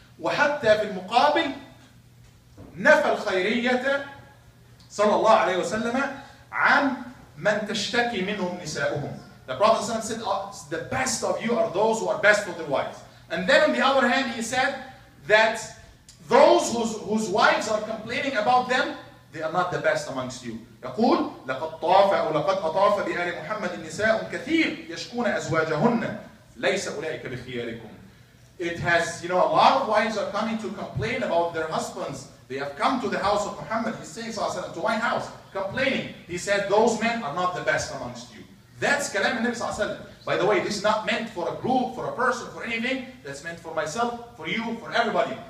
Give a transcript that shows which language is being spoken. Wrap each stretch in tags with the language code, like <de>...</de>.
<ar>وَحَتَّى فِي الْمُقَابِلِ نَفَى الْخَيْرِيَّةَ صلى الله عليه وسلم عَنْ مَنْ تَشْتَكِي مِنْهُمْ نِسَاؤُهُمْ.</ar> <en>The Prophet said, the best of you are those who are best for their wives. And then on the other hand, he said that those whose wives are complaining about them, they are not the best amongst you.</en> <ar>يقول لقد طاف أو لقد أطاف بآل محمد النساء كثير يشكون أزواجهن ليس أولئك بخياركم.</ar> <en>It has, you know, a lot of wives are coming to complain about their husbands. They have come to the house of Muhammad, he's saying, sallallahu alayhi wa sallam, to my house, complaining. He said, those men are not the best amongst you. That's kalam al-Nabi sallallahu alayhi wa sallam. By the way, this is not meant for a group, for a person, for anything. That's meant for myself, for you, for everybody.</en>